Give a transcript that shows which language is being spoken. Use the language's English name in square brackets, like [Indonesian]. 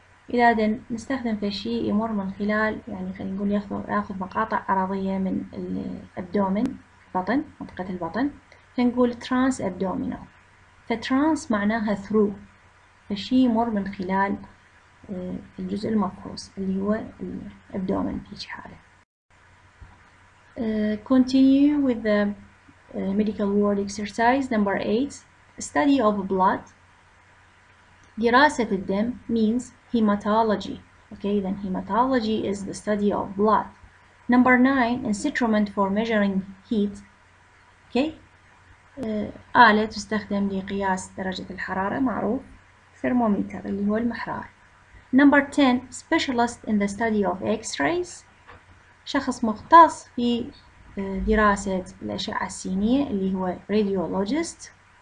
[Arabic] إذا نستخدم في شيء يمر من خلال يعني خلينا نقول ياخذ مقاطع عرضية من الابدومن بطن منطقة البطن فنقول ترانس ابدومينال فترانس معناها ثرو فشيء يمر من خلال الجزء المفحوص اللي هو الابدومن في حالة [English] continue with the medical word exercise number 8 study of blood [Arabic] دراسة الدم [English] means Hematology. Okay, then hematology is the study of blood. Number nine, instrument for measuring heat. [Arabic] Okay, آلة تستخدم لقياس درجة الحرارة معروف ثرمومتر اللي هو المحرار. [English] Number ten, specialist in the study of X-rays. [Arabic] شخص مختص في دراسة الأشعة السينية اللي هو radiologist. Radiologist اللي هو مثلكم يعني تقريبا.